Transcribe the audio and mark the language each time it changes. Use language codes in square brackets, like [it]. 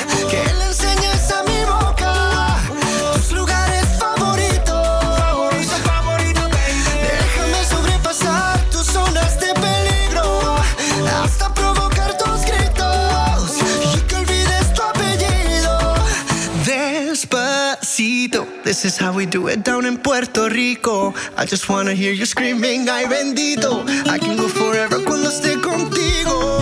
[es] Que le enseñes a mi boca tus lugares favoritos. Favorito, favorito, baby. Déjame sobrepasar tus zonas de peligro. Hasta provocar tus gritos. Y que olvides tu apellido. Despacito. [en] This is how we do it down in Puerto Rico. I just wanna hear you screaming, [es] ay bendito. [en] I can go forever [es] cuando esté contigo.